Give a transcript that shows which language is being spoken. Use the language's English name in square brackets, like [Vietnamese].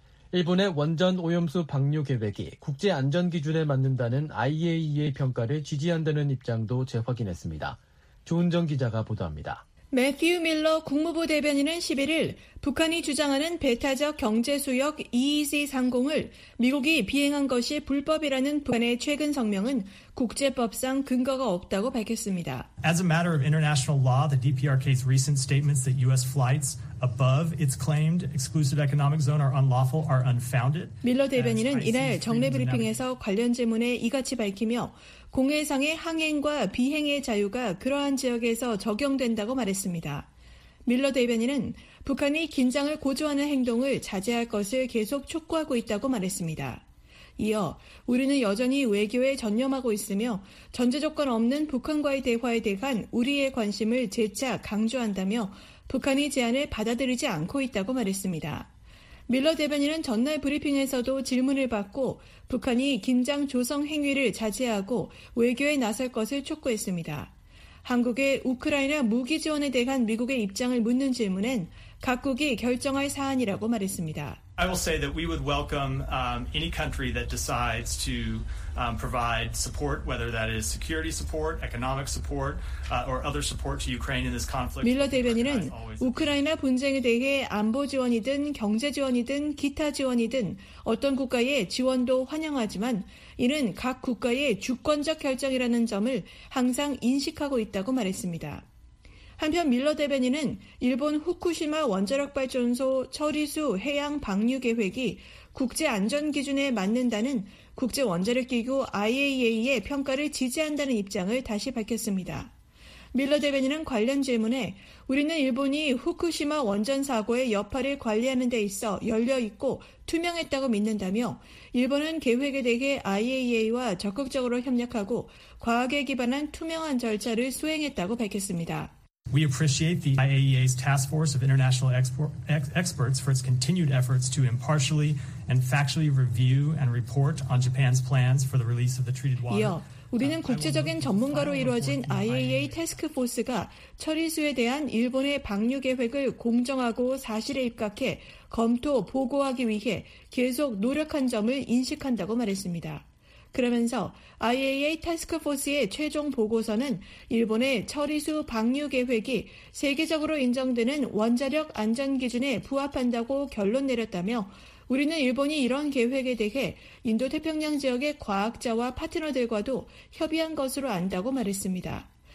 [Korean] 일본의 원전 오염수 방류 계획이 국제 안전 기준에 맞는다는 IAEA 평가를 지지한다는 입장도 재확인했습니다. 조은정 기자가 보도합니다. 매튜 밀러 국무부 대변인은 11일 북한이 주장하는 배타적 경제수역 EEZ 상공을 미국이 비행한 것이 불법이라는 북한의 최근 성명은 국제법상 근거가 없다고 밝혔습니다. [English] As a matter of international law, the DPRK's recent statements that U.S. flights above its claimed exclusive economic zone are unlawful are unfounded. [Korean] 밀러 대변인은 이날 정례 브리핑에서 관련 질문에 이같이 밝히며 공해상의 항행과 비행의 자유가 그러한 지역에서 적용된다고 말했습니다. 밀러 대변인은 북한이 긴장을 고조하는 행동을 자제할 것을 계속 촉구하고 있다고 말했습니다. 이어 우리는 여전히 외교에 전념하고 있으며 전제조건 없는 북한과의 대화에 대한 우리의 관심을 재차 강조한다며 북한이 제안을 받아들이지 않고 있다고 말했습니다. 밀러 대변인은 전날 브리핑에서도 질문을 받고 북한이 긴장 조성 행위를 자제하고 외교에 나설 것을 촉구했습니다. 한국의 우크라이나 무기 지원에 대한 미국의 입장을 묻는 질문엔 각국이 결정할 사안이라고 말했습니다. [English] I will say that we would welcome any country that decides to provide support, whether that is security support, economic support, or other support to Ukraine in this conflict. [Korean] 밀러 대변인은 우크라이나 분쟁에 대해 안보 지원이든 경제 지원이든 기타 지원이든 어떤 국가의 지원도 환영하지만 이는 각 국가의 주권적 결정이라는 점을 항상 인식하고 있다고 말했습니다. 한편 밀러 대변인은 일본 후쿠시마 원자력발전소 처리수 해양 방류 계획이 국제 안전 기준에 맞는다는 국제원자력기구 IAEA의 평가를 지지한다는 입장을 다시 밝혔습니다. 밀러 대변인은 관련 질문에 우리는 일본이 후쿠시마 원전 사고의 여파를 관리하는 데 있어 열려있고 투명했다고 믿는다며 일본은 계획에 대해 IAEA와 적극적으로 협력하고 과학에 기반한 투명한 절차를 수행했다고 밝혔습니다. [English] We appreciate the IAEA's task force of international experts for its continued efforts to impartially and factually review and report on Japan's plans for the release of the treated water. [Korean] 이어 우리는 국제적인 전문가로 이루어진 IAEA 태스크포스가 처리수에 대한 일본의 방류 계획을 공정하고 사실에 입각해 검토, 보고하기 위해 계속 노력한 점을 인식한다고 말했습니다. 그러면서 IAEA 태스크포스의 최종 보고서는 일본의 처리수 방류 계획이 세계적으로 인정되는 원자력 안전 기준에 부합한다고 결론 내렸다며 우리는 일본이 이런 계획에 대해 인도태평양 지역의 과학자와 파트너들과도 협의한 것으로 안다고 말했습니다.